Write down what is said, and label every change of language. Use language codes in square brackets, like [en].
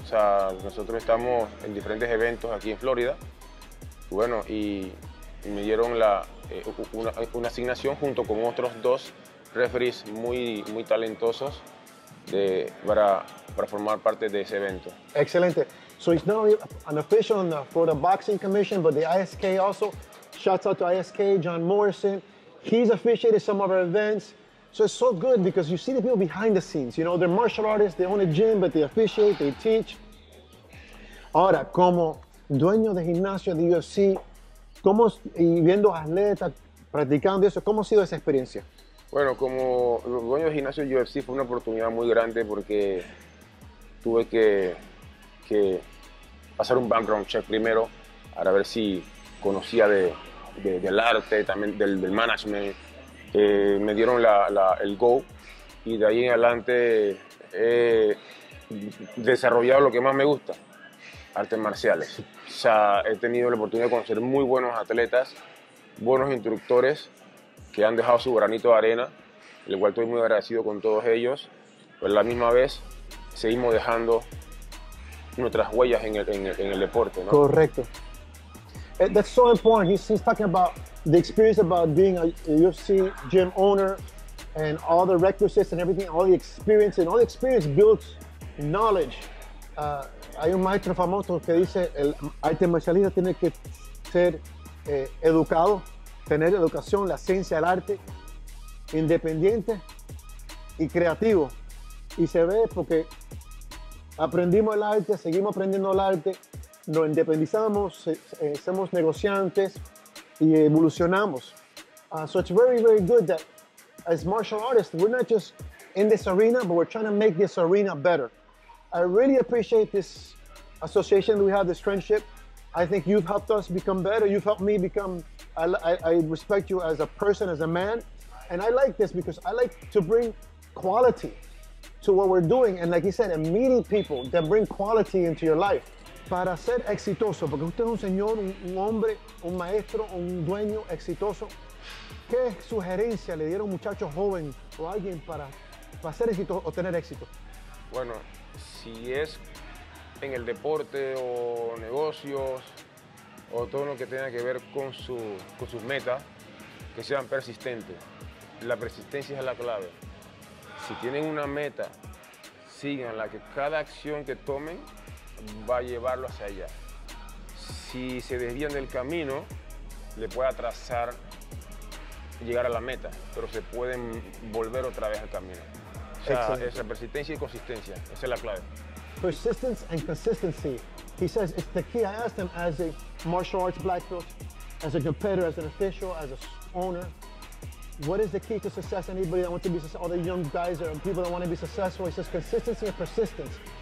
[es] O sea, nosotros estamos en diferentes eventos aquí en Florida. Bueno, y me dieron una asignación junto con otros dos referees muy, muy talentosos para formar parte de ese evento. Excelente. [en] So he's not only an official in the Florida Boxing Commission, but the ISK also. Shouts out to ISK, John Morrison. He's officiated some of our events. So it's so good because you see the people behind the scenes. You know, they're martial artists, they own a gym, but they officiate, they teach. [es] Ahora, como dueño de gimnasio de UFC, ¿cómo, y viendo atletas practicando eso, cómo ha sido esa experiencia? Bueno, como dueño de gimnasio de UFC fue una oportunidad muy grande porque tuve que pasar un background check primero para ver si conocía del arte, también del management. Me dieron el go y de ahí en adelante he desarrollado lo que más me gusta, artes marciales. O sea, he tenido la oportunidad de conocer muy buenos atletas, buenos instructores que han dejado su granito de arena, el cual estoy muy agradecido con todos ellos, pero a la misma vez seguimos dejando nuestras huellas en el deporte, ¿no? Correcto. [en] That's so important. He's talking about the experience about being a UFC gym owner and all the requisites and everything, all the experience, and all the experience builds knowledge. [es] Hay un maestro famoso que dice el arte marcialista tiene que ser educado, tener educación, la ciencia del arte, independiente y creativo. Y se ve porque aprendimos el arte, seguimos aprendiendo el arte, nos independizamos, somos negociantes y evolucionamos. [en] So it's very, very good that as martial artists, we're not just in this arena, but we're trying to make this arena better. I really appreciate this association that we have, this friendship. I think you've helped us become better. You've helped me become, I respect you as a person, as a man. And I like this because I like to bring quality to what we're doing. And like you said, and meeting people that bring quality into your life. [es] Para ser exitoso, porque usted es un señor, un hombre, un maestro, un dueño exitoso, ¿qué sugerencia le dieron muchachos joven o alguien para ser exitoso o tener éxito? Bueno, si es en el deporte o negocios o todo lo que tenga que ver con sus metas, que sean persistentes. La persistencia es la clave. Si tienen una meta, síganla, que cada acción que tomen va a llevarlo hacia allá. Si se desvían del camino, le puede atrasar llegar a la meta, pero se pueden volver otra vez al camino. O sea, esa persistencia y consistencia, esa es la clave. [en] Persistence and consistency, he says, it's the key. I asked him as a martial arts black belt, as a competitor, as an official, as a owner, what is the key to success? Anybody that wants to be successful, all the young guys or people that want to be successful, he says consistency and persistence.